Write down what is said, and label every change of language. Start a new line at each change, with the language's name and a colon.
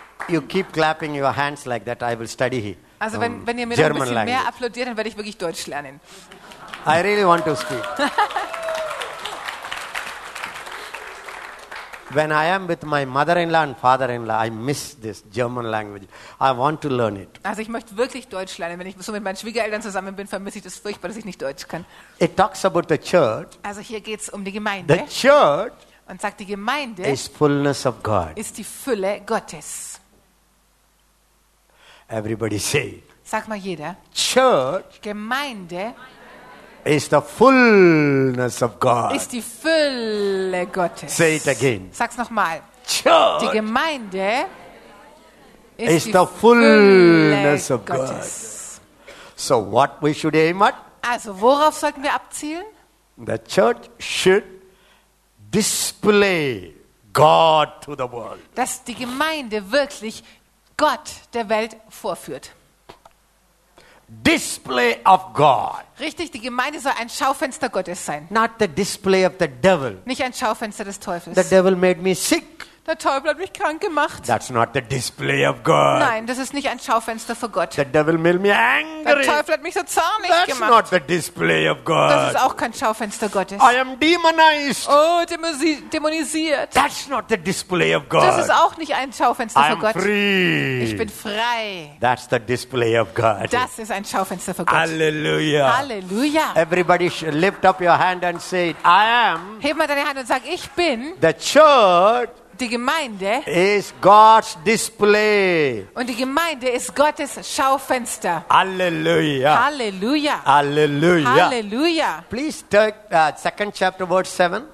English: You keep clapping your hands like that, I will study here.
German: Also wenn ihr mir noch ein bisschen mehr applaudiert, dann werde ich wirklich Deutsch lernen.
English: I really want to speak. When I am with my mother-in-law and father-in-law, I miss this German language. I want to learn it.
German: Also ich möchte wirklich Deutsch lernen. Wenn ich so mit meinen Schwiegereltern zusammen bin, vermisse ich das furchtbar, dass ich nicht Deutsch kann.
English: It talks about the church.
German: Also hier geht es um die Gemeinde.
English: The church.
German: Und sagt, die Gemeinde
English: is fullness of God.
German: Ist die Fülle Gottes.
English: Everybody say.
German: Sag mal jeder.
English: Church.
German: Gemeinde.
English: Is the fullness of God.
German: Ist die Fülle Gottes.
English: Say it again.
German: Sag's nochmal.
English: Church.
German: Die Gemeinde.
English: Is the fullness of God. So what we should aim at?
German: Also worauf sollten wir abzielen?
English: The church should display God to the world.
German: Dass die Gemeinde wirklich Gott der Welt vorführt.
English: Display of God.
German: Richtig, die Gemeinde soll ein Schaufenster Gottes sein.
English: Not the display of the devil.
German: Nicht ein Schaufenster des Teufels.
English: The devil made me sick.
German: Der Teufel hat mich krank gemacht.
English: That's not the display of God.
German: Nein, das ist nicht ein Schaufenster für Gott.
English: The devil made me angry.
German: Der Teufel hat mich so zornig
English: That's
German: gemacht.
English: That's not the display of God.
German: Das ist auch kein Schaufenster Gottes.
English: I am demonized.
German: Oh, demonisiert.
English: That's not the display of God.
German: Das ist auch nicht ein Schaufenster für Gott.
English: I am free.
German: Ich bin frei.
English: That's the display of God.
German: Das ist ein Schaufenster für Gott. Hallelujah. Hallelujah.
English: Everybody lift up your hand and say, I am.
German: Heb mal deine Hand und sag, ich bin.
English: The church.
German: Die Gemeinde
English: ist God's display.
German: Und die Gemeinde ist Gottes Schaufenster. Halleluja. Halleluja. Halleluja. Halleluja.
English: Please take second chapter verse 7.